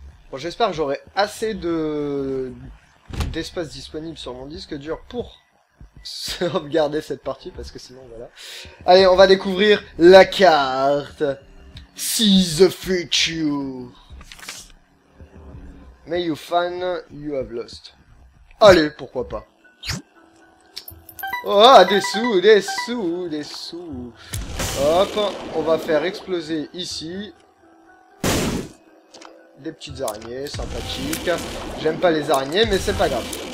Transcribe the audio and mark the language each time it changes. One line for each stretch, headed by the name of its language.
French: Bon, j'espère que j'aurai assez de... d'espace disponible sur mon disque dur pour sauvegarder cette partie, parce que sinon, voilà. Allez, on va découvrir la carte.
English: See the future. May you find you have lost.
French: Allez, pourquoi pas. Oh, des sous, des sous, des sous. Hop, on va faire exploser ici. Des petites araignées, sympathiques. J'aime pas les araignées, mais c'est pas grave.